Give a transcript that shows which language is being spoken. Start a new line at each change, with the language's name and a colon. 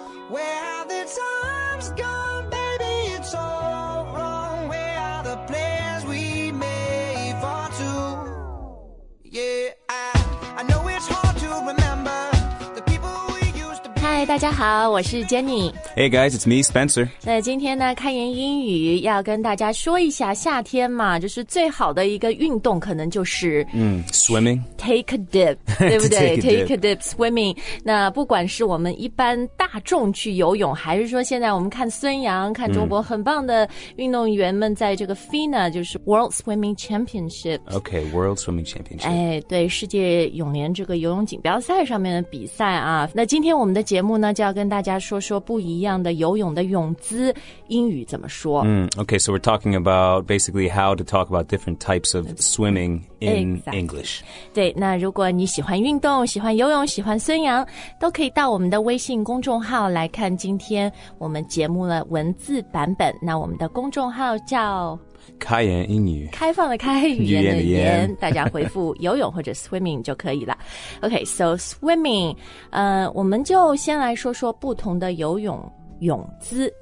English: Where have the times gone, baby? It's all wrong. Where are the plans we made for two? Yeah, I know it's hard to remember the people we used to be. Hi,
Chinese: 大家好，我是 Jenny。
English: Hey guys, it's me, Spencer.
Chinese: 那今天呢，开言英语要跟大家说一下夏天嘛，就是最好的一个运动可能就是
English: swimming. Take a dip,
Chinese: 对不对？
English: take a dip,
Chinese: swimming. 那不管是我们一般大众去游泳，还是说现在我们看孙杨，看中国很棒的运动员们在这个 FINA, 就是
English: World Swimming Championship. Okay, World Swimming Championship.
Chinese: 哎，对，世界泳联这个游泳锦标赛上面的比赛啊。那今天我们的节目呢，就要跟大家说说不一样的游泳的泳姿英语怎么说、
English: Okay, so we're talking about basically how to talk about different types of swimming in English.
Chinese: 对，那如果你喜欢运动，喜欢游泳，喜欢孙杨，都可以到我们的微信公众号来看今天我们节目的文字版本。那我们的公众号叫开言英语，开放的开，语言的言，大家回复游泳或者 swimming 就可以了。
English: OK, so swimming,
Chinese: 我们就先来说说不同的游泳泳姿、